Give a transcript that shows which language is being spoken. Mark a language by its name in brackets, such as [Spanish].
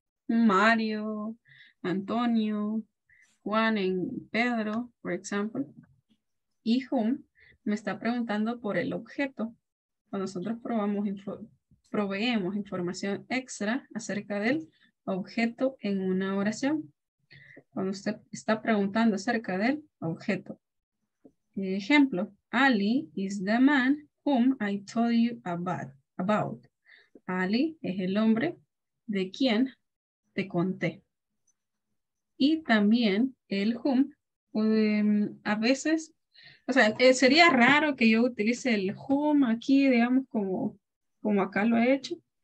[Spanish] Mario, Antonio, Juan y Pedro, por ejemplo. Y whom me está preguntando por el objeto. Cuando nosotros proveemos información extra acerca del objeto en una oración. Cuando usted está preguntando acerca del objeto. Ejemplo, [English] Ali is the man whom I told you about. [Spanish] Ali es el hombre de quien te conté. Y también el whom, a veces, o sea, sería raro que yo utilice el whom aquí, digamos, como acá lo he hecho.